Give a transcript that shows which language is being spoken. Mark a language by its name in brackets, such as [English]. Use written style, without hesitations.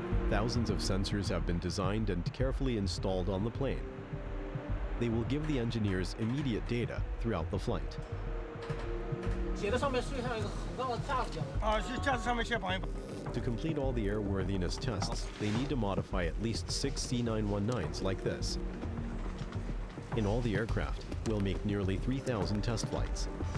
[English] Thousands of sensors have been designed and carefully installed on the plane. They will give the engineers immediate data throughout the flight. [Chinese] 写的上面是不是像一个很高的架子一样？啊，是架子上面先绑一绑。To [English] complete all the airworthiness tests, they need to modify at least six C919s like this. In all the aircraft, we'll make nearly 3,000 test flights.